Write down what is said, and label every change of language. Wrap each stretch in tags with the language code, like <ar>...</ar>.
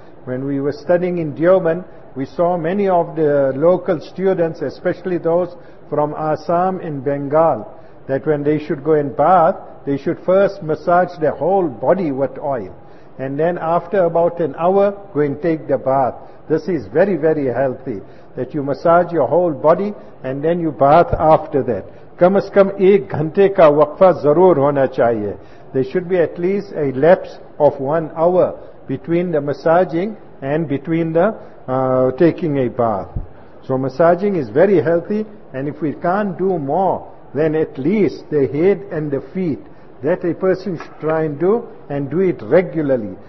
<en>When we were studying in Deoband, we saw many of the local students, especially those from Assam and Bengal, that when they should go and bath, they should first massage their whole body with oil, and then after about an hour, go and take the bath. This is very, very healthy, that you massage your whole body and then you bath after that.</en> <ur>کم از کم ایک گھنٹے کا وقفہ ضرور ہونا چاہیے.</ur> <en>There should be at least a lapse of 1 hour between the massaging and between the taking a bath. So massaging is very healthy, and if we can't do more, then at least the head and the feet, that a person should try and do, and do it regularly.</en>